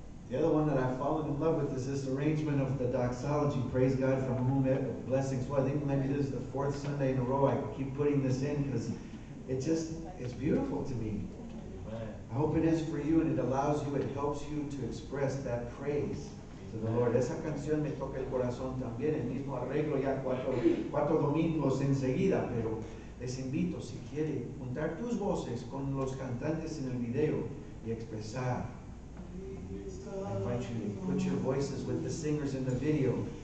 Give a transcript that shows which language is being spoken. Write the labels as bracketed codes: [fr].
[en] The other one that I've fallen in love with is this arrangement of the doxology, praise God from whom blessings flow. I think maybe this is the fourth Sunday in a row I keep putting this in because it just, it's beautiful to me. I hope it is for you, and it allows you, it helps you to express that praise to the Lord. [es] Esa canción me toca el corazón también, el mismo arreglo ya cuatro domingos enseguida, pero les invito, si quiere, juntar tus voces con los cantantes en el video y expresar. [en] I invite you to put your voices with the singers in the video.